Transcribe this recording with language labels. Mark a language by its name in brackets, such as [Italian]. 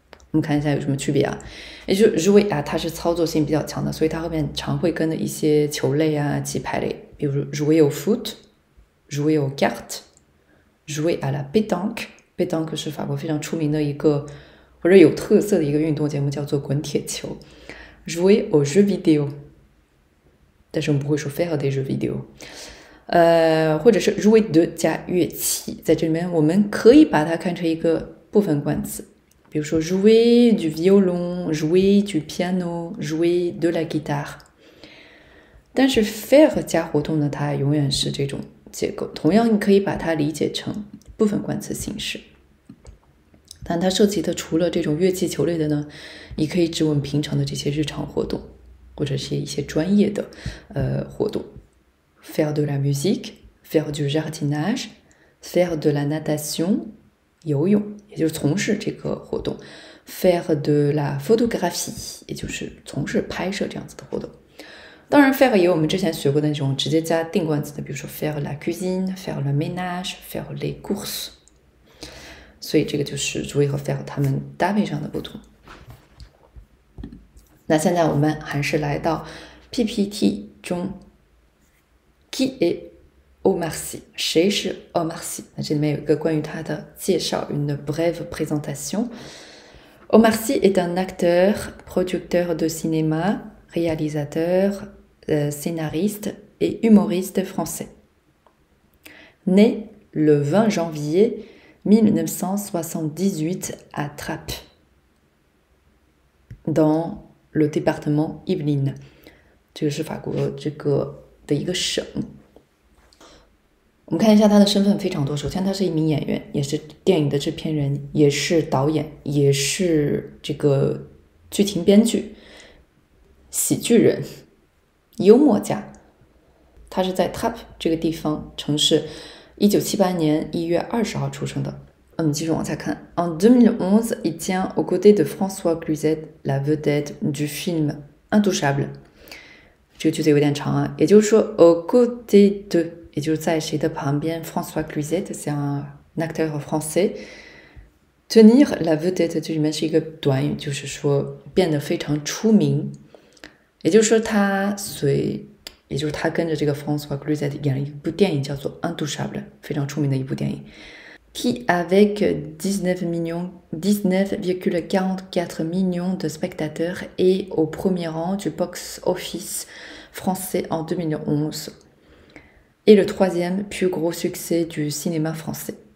[Chinese] 我们看一下有什么区别啊？也就是 jouer 啊，它是操作性比较强的，所以它后面常会跟着一些球类啊、棋牌类，比如 [French] jouer au foot、jouer aux cartes、jouer à la pétanque。 [Chinese] pétanque 是法国非常出名的一个或者有特色的一个运动节目，叫做滚铁球。 [French] jouer aux jeux vidéo， [Chinese] 但是我们不会说 [French] faire des jeux vidéo。 [Chinese] 或者是 jouer de 加乐器，在这里面我们可以把它看成一个部分冠词。 [French] 比如说 jouer du violon, jouer du piano, jouer de la guitare. [Chinese] 但是 faire 加活动呢，它永远是这种结构。同样，你可以把它理解成部分冠词形式。那但它涉及的除了这种乐器球类的呢，你可以只问平常的这些日常活动，或者是一些专业的活动。 [French] Faire de la musique, faire du jardinage, faire de la natation, [Chinese] 游泳，也就是从事这个活动。 [French] Faire de la photographie， [Chinese] 也就是从事拍摄这样子的活动。当然，faire 也有我们之前学过的那种直接加定冠词的，比如说 [French] faire la cuisine, faire le ménage, faire les courses。 [Chinese] 所以这个就是主谓和 faire 它们搭配上的不同。那现在我们还是来到 PPT 中。 [French] Qui est Omar Sy？ [Chinese] 谁是 [French] Omar Sy？ [Chinese] 那这里面有一个关于他的介绍， [French] une brève présentation。 Omar Sy est un acteur, producteur de cinéma, réalisateur, scénariste et humoriste français. Né le 20 janvier 1978 à Trappes, dans le département Yvelines. [Chinese] 这个是法国这个的一个省。我们看一下他的身份非常多。首先，他是一名演员，也是电影的制片人，也是导演，也是这个剧情编剧、喜剧人、幽默家。他是在 Trappes 这个地方城市，1978年1月20号出生的。继续往下看。 [French] En 2011, il tient aux côtés de François Cluzet la vedette du film Intouchable。 [Chinese] 这个句子有点长啊，也就是说， [French] aux côtés de。 [Chinese] 也就是在谁的旁边，François Cluzet 像 [French] acteur français， tenir la vedette [Chinese] 这里面是一个短语，就是说变得非常出名。也就是说他随，也就是他跟着这个 François Cluzet 演了一部电影，叫做《Intouchable》，非常出名的一部电影。 [French] Qui avec 19,44 millions de spectateurs est au premier rang du box office français en 2011. Et le troisième plus gros succès du cinéma français。